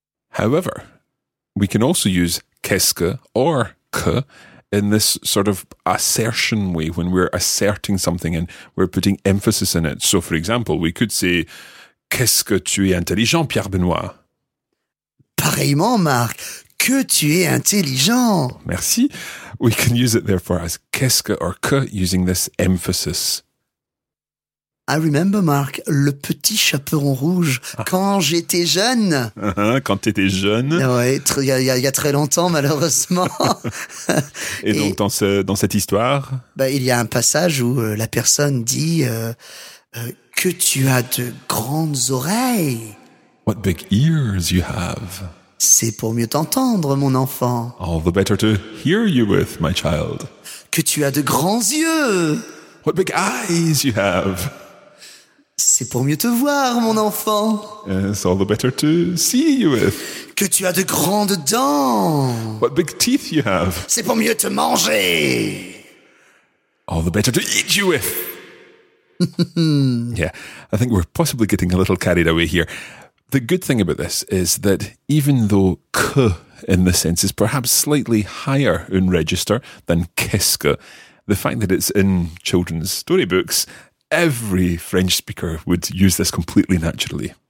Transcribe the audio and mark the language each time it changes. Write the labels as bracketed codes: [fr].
[en] However, we can also use qu'est-ce que or que in this sort of assertion way when we're asserting something and we're putting emphasis in it. So, for example, we could say, [fr] Qu'est-ce que tu es intelligent, Pierre-Benoît ? Pareillement, Marc. Que tu es intelligent. [en] Merci. We can use it therefore as qu'est-ce que or que using this emphasis. I remember, Marc, [fr] le petit chaperon rouge, quand j'étais jeune. Quand t'étais jeune. Il y a très longtemps, malheureusement. Et donc, dans cette histoire, Il y a un passage où la personne dit que tu as de grandes oreilles. [en] What big ears you have. [fr] C'est pour mieux t'entendre, mon enfant. [en] All the better to hear you with, my child. [fr] Que tu as de grands yeux. [en] What big eyes you have. [fr] C'est pour mieux te voir, mon enfant. [en] It's all the better to see you with. [fr] Que tu as de grandes dents. [en] What big teeth you have. [fr] C'est pour mieux te manger. [en] All the better to eat you with. Yeah, I think we're possibly getting a little carried away here. The good thing about this is that even though que in this sense is perhaps slightly higher in register than qu'est-ce, the fact that it's in children's storybooks, every French speaker would use this completely naturally.